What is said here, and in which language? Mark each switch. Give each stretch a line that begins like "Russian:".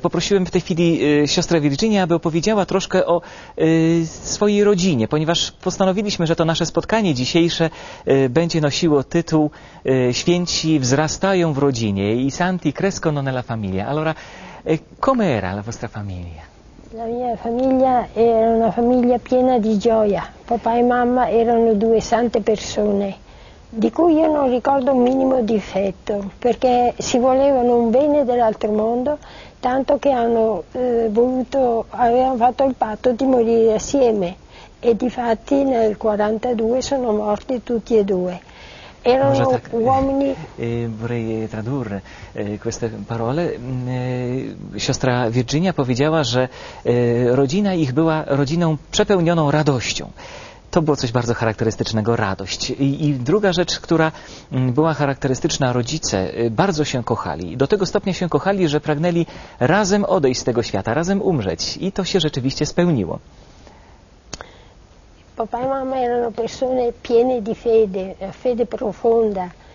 Polish: Poprosiłem w tej chwili siostrę Virginię, aby opowiedziała troszkę o swojej rodzinie, ponieważ postanowiliśmy, że to nasze spotkanie dzisiejsze będzie nosiło tytuł Święci wzrastają w rodzinie.
Italian: I santi crescono nella famiglia. Allora, come era la vostra famiglia? La mia famiglia era una famiglia piena di gioia. Papà e mamma erano due sante persone, di cui io non ricordo un minimo difetto, perché si volevano un bene dell'altro mondo, tanto che hanno voluto, avevano fatto il patto di morire assieme, e difatti nel 42 sono morti tutti e due. Erano uomini. Vorrei tradurre queste parole.
Polish: Siostra Virginia powiedziała, że rodzina ich była rodziną przepełnioną radością. To było coś bardzo charakterystycznego, radość. I druga rzecz, która była charakterystyczna, rodzice bardzo się kochali. Do tego stopnia się kochali, że pragnęli razem odejść z tego świata, razem umrzeć. I to się rzeczywiście spełniło.
Italian: Papà e mamma erano persone piene di fede, fede profonda.